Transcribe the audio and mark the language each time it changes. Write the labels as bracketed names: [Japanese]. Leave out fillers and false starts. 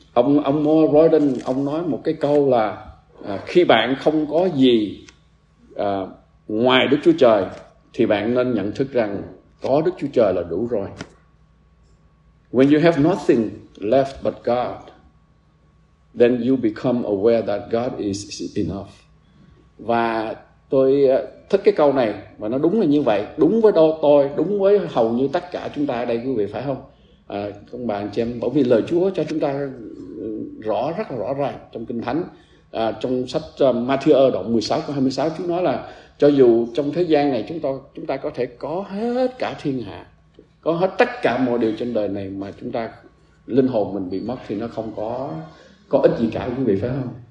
[Vietnamese] Ông Mo Royden ông nói một cái câu là khi bạn không có gì ngoài Đức Chúa Trời thì bạn nên nhận thức rằng có Đức Chúa Trời là đủ rồi. [English] When you have nothing left but God, then you become aware that God is enough. [Vietnamese] Và tôi thích cái câu này và nó đúng là như vậy, đúng với tôi, đúng với hầu như tất cả chúng ta ở đây, quý vị phải không? Công bạn chị em, bởi vì lời Chúa cho chúng ta rõ, rất là rõ ràng trong Kinh Thánh, trong sách Matthew đoạn 16 câu 26, Chúa nói là cho dù trong thế gian này chúng ta có thể có hết cả thiên hạ, có hết tất cả mọi điều trên đời này mà chúng ta linh hồn mình bị mất thì nó không có ích gì cả, quý vị phải không?